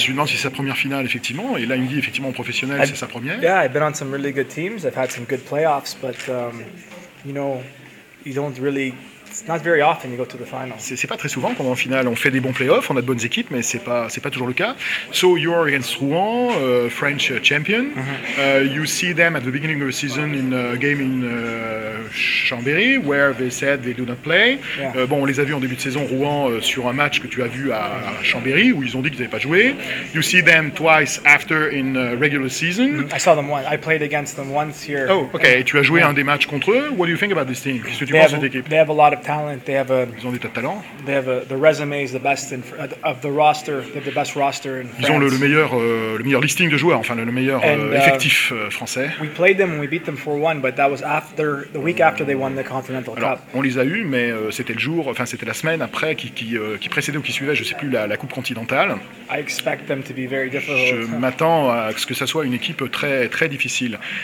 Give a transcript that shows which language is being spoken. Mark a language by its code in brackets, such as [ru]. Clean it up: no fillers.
[fr] Je me demande si c'est sa première finale effectivement, et là il me dit effectivement en professionnel, c'est sa première. [en] Yeah, I've been on some really good teams. I've had some good playoffs, but you know, you don't really. It's not very often you go to the final. [fr] C'est pas très souvent qu'on est en finale. On fait des bons playoffs, on a de bonnes équipes, mais c'est pas toujours le cas. [en] So you are against Rouen, French champion. Mm-hmm. You see them at the beginning of the season in a game in Chambéry, where they said they do not play. Yeah. [fr] Bon, on les a vus en début de saison Rouen sur un match que tu as vu à Chambéry, où ils ont dit qu'ils n'avaient pas joué. [en] You see them twice after in regular season. Mm-hmm. I saw them once. I played against them once here. Oh, okay. [fr] Et tu as joué un des matchs contre eux. [en] What do you think about this team? [fr] Qu'est-ce que tu penses de cette équipe? [en] They have a lot of talent. They have a. [fr] Ils ont des tas de talents. [en] They have the resume is the best in of the roster. They have the best roster in. [fr] Ils ont le meilleur listing de joueurs, enfin le meilleur effectif français. [en] We played them and we beat them 4-1, but that was after the week after they won the Continental [fr] Alors, [en] Cup. [fr] On les a eus, mais c'était le jour, enfin c'était la semaine après qui précédait ou qui suivait, je sais plus la Coupe Continentale. [en] I expect them to be very difficult. [fr] Je m'attends à ce que ça soit une équipe très très difficile.